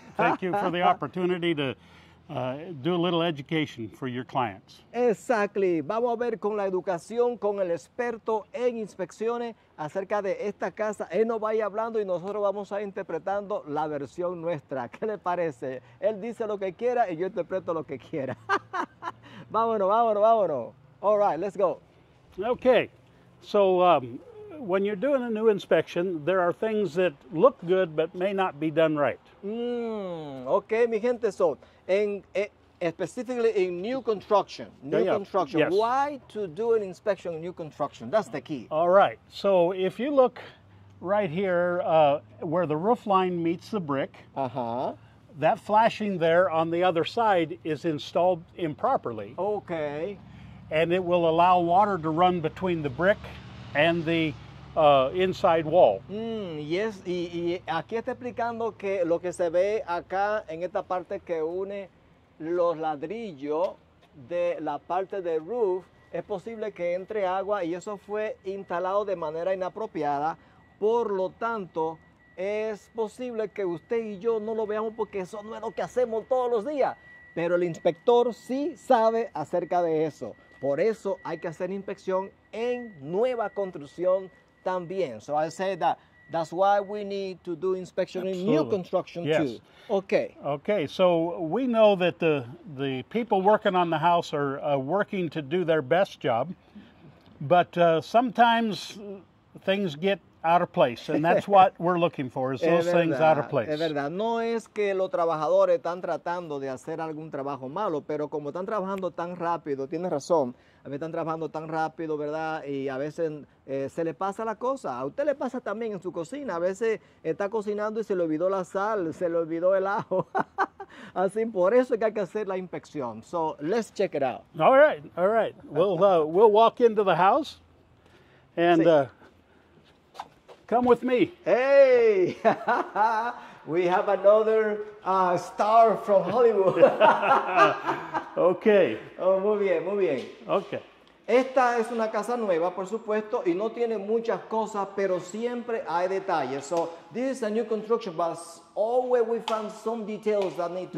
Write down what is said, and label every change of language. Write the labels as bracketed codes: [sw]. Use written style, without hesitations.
[en] Thank you for the opportunity to do a little education for your clients. Exactly. [es] Vamos a ver con la educación, con el experto en inspecciones acerca de esta casa. Él nos va a ir hablando y nosotros vamos a ir interpretando la versión nuestra. ¿Qué le parece? Él dice lo que quiera y yo interpreto lo que quiera. Vámonos, vámonos, vámonos. [en] All right, let's go. Okay. So, when you're doing a new inspection, there are things that look good but may not be done right. Okay, [es] mi gente, [en] so in specifically in new construction, Yes. Why to do an inspection in new construction? That's the key. All right. So if you look right here where the roof line meets the brick, that flashing there on the other side is installed improperly. Okay. And it will allow water to run between the brick and the inside wall. Yes, [es] y aquí está explicando que lo que se ve acá en esta parte que une los ladrillos de la parte de roof, es posible que entre agua y eso fue instalado de manera inapropiada. Por lo tanto, es posible que usted y yo no lo veamos porque eso no es lo que hacemos todos los días. Pero el inspector sí sabe acerca de eso. Por eso hay que hacer inspección en nueva construcción también. [en] So I say that's why we need to do inspection Absolutely. In new construction yes. too. Okay. Okay, so we know that the people working on the house are working to do their best job, but sometimes things get out of place, and that's what we're looking for, is those things out of place. [es] Es verdad. No es que los trabajadores están tratando de hacer algún trabajo malo, pero como están trabajando tan rápido, tienes razón, a veces están trabajando tan rápido, ¿verdad? Y a veces se le pasa la cosa. A usted le pasa también en su cocina. A veces está cocinando y se le olvidó la sal, se le olvidó el ajo. Así, por eso es que hay que hacer la inspección. [en] So, let's check it out. All right, all right. We'll walk into the house, and... [es] Sí. [en] Come with me. Hey, we have another star from Hollywood. Okay. [es] Oh, muy bien, muy bien. [en] Okay. [es] Esta es una casa nueva, por supuesto, y no tiene muchas cosas, pero siempre hay detalles. [en] So, this is a new construction, but always we found some details that need to